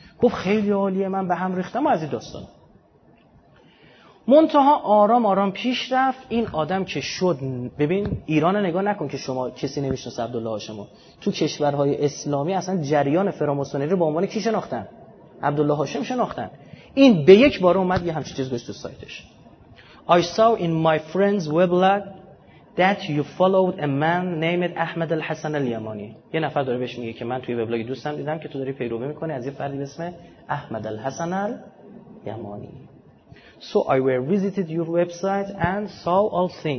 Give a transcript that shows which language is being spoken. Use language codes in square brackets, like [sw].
[fa] گفت خیلی عالیه، من به هم ریختم از این داستان. منتها آرام آرام پیش رفت این آدم که شد. ببین ایران نگاه نکن که شما کسی نمیشناسه عبدالله هاشمو. تو کشورهای اسلامی اصلا جریان فراماسونری به عنوان کی شناختن؟ عبدالله هاشم شناختن. این به یک بار اومد یه همچین چیز گذاشت تو سایتش. [en] I saw in my friend's weblog that you followed a man named Ahmed al-Hassan al-Yamani. [fa] یه نفر داره بهش میگه که من توی وبلاگ دوستم دیدم که تو داری پیروی میکنی از یه فردی به اسم احمد الحسن الیمانی. [en] So I were visited your website and saw all thing.